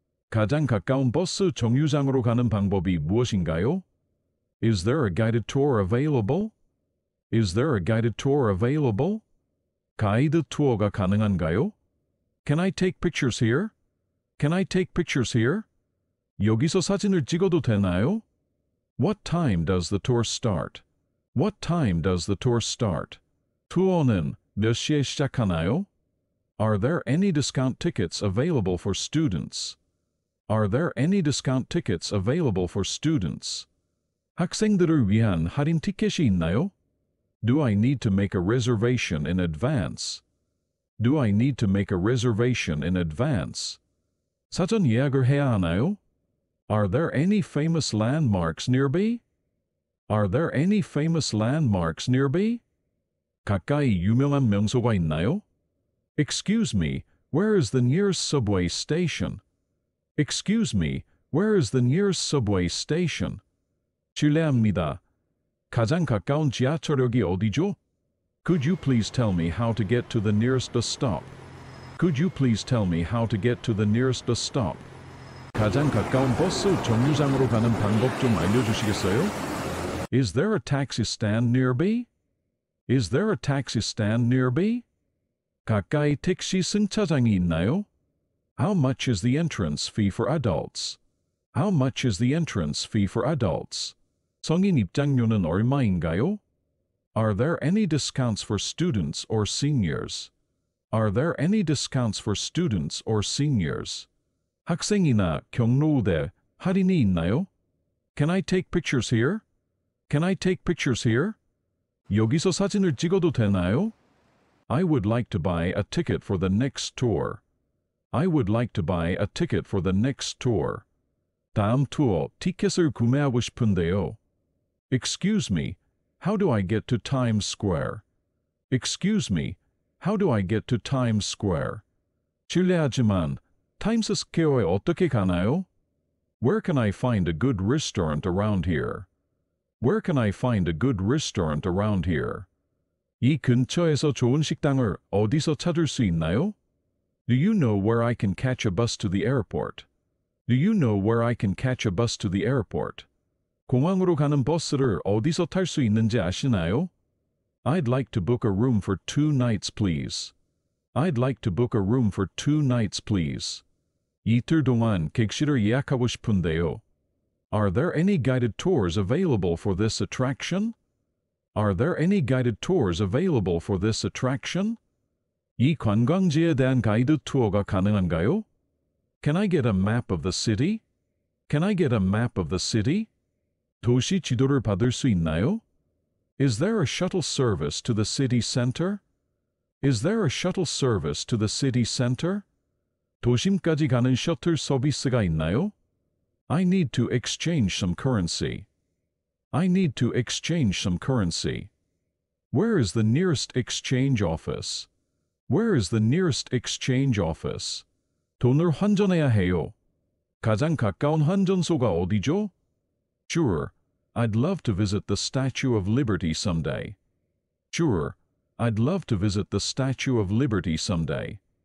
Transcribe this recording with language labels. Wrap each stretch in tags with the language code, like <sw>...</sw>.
<ko>가장 가까운 버스 정류장으로 가는 방법이 무엇인가요?</ko> <en>Is there a guided tour available? Is there a guided tour available?</en> <ko>가이드 투어가 가능한가요?</ko> <en>Can I take pictures here? Can I take pictures here?</en> <ko>여기서 사진을 찍어도 되나요?</ko> <en>What time does the tour start? What time does the tour start?</en> <ko>투어는 몇 시에 시작하나요?</ko> <en>Are there any discount tickets available for students? Are there any discount tickets available for students?</en> <ko>학생들을 위한 할인 티켓이 있나요?</ko> <en>Do I need to make a reservation in advance? Do I need to make a reservation in advance?</en> <ko>사전 예약을 해야 하나요?</ko> <en>Are there any famous landmarks nearby? Are there any famous landmarks nearby?</en> <ko>가까이 유명한 명소가 있나요?</ko> <en>Excuse me, where is the nearest subway station? Excuse me, where is the nearest subway station?</en> <ko>실례합니다. 가장 가까운 지하철역이 어디죠?</ko> <en>Could you please tell me how to get to the nearest stop? Could you please tell me how to get to the nearest stop?</en> <ko>가장 가까운 버스 정류장으로 가는 방법 좀 알려주시겠어요?</ko> <en>Is there a taxi stand nearby? Is there a taxi stand nearby?</en> <ko>가까이 택시 승차장이 있나요?</ko> <en>How much is the entrance fee for adults? How much is the entrance fee for adults?</en> <ko>성인 입장료는 얼마인가요?</ko> <en>Are there any discounts for students or seniors? Are there any discounts for students or seniors?</en> <ko>학생이나 경로우대 할인이 있나요?</ko> <en>Can I take pictures here? Can I take pictures here?</en> <ko>여기서 사진을 찍어도 되나요?</ko> <en>I would like to buy a ticket for the next tour. I would like to buy a ticket for the next tour.</en> <ko>다음 투어 티켓을 구매하고 싶은데요.</ko> <en>Excuse me, how do I get to Times Square? Excuse me, how do I get to Times Square?</en> <ko>실례하지만, Times Square에 어떻게 가나요?</ko> <en>Where can I find a good restaurant around here? Where can I find a good restaurant around here?</en> <ko>이 근처에서 좋은 식당을 어디서 찾을 수 있나요?</ko> <en>Do you know where I can catch a bus to the airport? Do you know where I can catch a bus to the airport?</en> <ko>공항으로 가는 버스를 어디서 탈 수 있는지 아시나요?</ko> <en>I'd like to book a room for two nights, please. I'd like to book a room for two nights, please.</en> <ko>이틀 동안 객실을 예약하고 싶은데요.</ko> <en>Are there any guided tours available for this attraction? Are there any guided tours available for this attraction?</en> <ko>이 관광지에 대한 가이드 투어가 가능한가요?</ko> <en>Can I get a map of the city? Can I get a map of the city?</en> <ko>도시 지도를 받을 수 있나요?</ko> <en>Is there a shuttle service to the city center? Is there a shuttle service to the city center?</en> <ko>도심까지 가는 셔틀 서비스가 있나요?</ko> <en>I need to exchange some currency. I need to exchange some currency. Where is the nearest exchange office? Where is the nearest exchange office?</en> <ko>돈을 환전해야 해요. 가장 가까운 환전소가 어디죠?</ko> <en>Sure, I'd love to visit the Statue of Liberty someday. Sure, I'd love to visit the Statue of Liberty someday.</en>